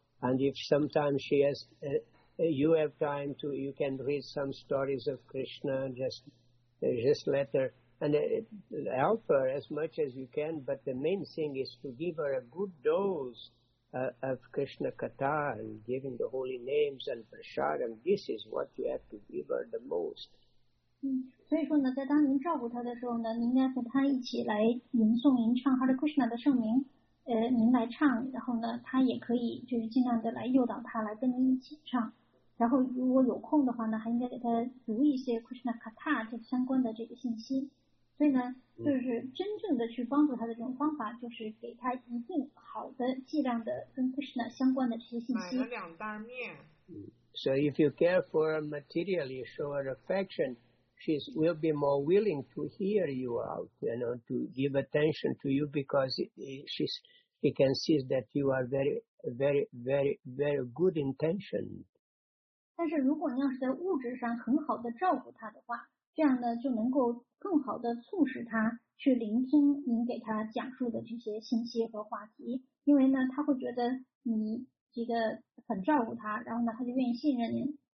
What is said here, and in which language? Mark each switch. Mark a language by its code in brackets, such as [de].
[en] And if sometimes she has, you have time to, you can read some stories of Krishna, just let her, and help her as much as you can. But the main thing is to give her a good dose of Krishna Katha and giving the holy names and prasadam. This is what you have to give her the most. [zh] 所以说呢，在当您照顾他的时候呢，您应该和他一起来吟诵、吟唱Hare Krishna的圣名，您来唱，然后呢，他也可以就是尽量的来诱导他来跟您一起唱。然后如果有空的话呢，还应该给他读一些 Krishna Katha 这相关的这个信息。所以呢，就是真正的去帮助他的这种方法，就是给他一定好的剂量的跟 Krishna 相关的这些信息。买了两袋面。 [en] So if you care for her materially, show her affection. She will be more willing to hear you out, you know, to give attention to you because she can see that you are very, very, very, very good intentioned. [zh] 但是如果你要是在物质上很好的照顾她的话，这样呢就能够更好的促使她去聆听您给她讲述的这些信息和话题，因为呢她会觉得你这个很照顾她，然后呢她就愿意信任您。